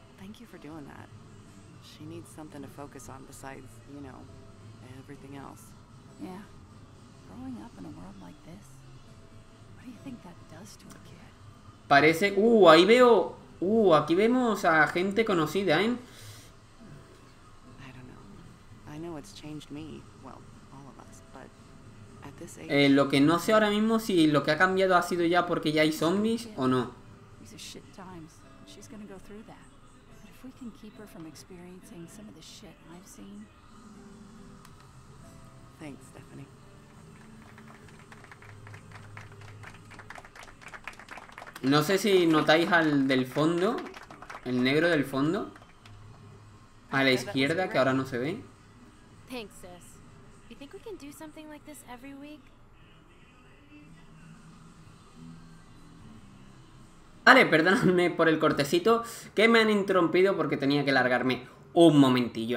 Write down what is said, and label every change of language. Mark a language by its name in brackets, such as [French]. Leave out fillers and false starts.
[English] She needs something to focus on besides, you know, everything else. Yeah. Growing up in a world like this, what do you think that does to a kid? [Spanish] Parece, ahí veo, aquí vemos a gente conocida, ¿eh? [English] I don't know. I know it's changed me, well, all of us, but at this age. [Spanish] Lo que no sé ahora mismo si lo que ha cambiado ha sido ya porque ya hay zombies o no. [English] These are shit times. She's gonna go through that. We can keep her from experiencing some of the shit I've seen. Thanks, Stephanie. [Spanish] No sé si notáis al del fondo, el negro del fondo a la izquierda, que ahora no se ve. [English] Thanks, sis. You think we can do something like this every week? [Spanish] Vale, perdóname por el cortecito, que me han interrumpido porque tenía que largarme un momentillo.